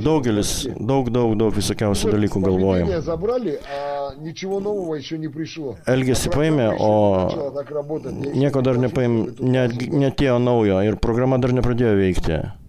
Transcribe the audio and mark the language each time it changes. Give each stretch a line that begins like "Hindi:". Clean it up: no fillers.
Lithuanian: Daugelis, daug visokiausių dalykų galvojam.
Russian: Забрали, а ничего нового еще не пришло.
Lithuanian: Elgesį paėmė, o nieko dar neatėjo naujo, ir programa dar nepradėjo veikti.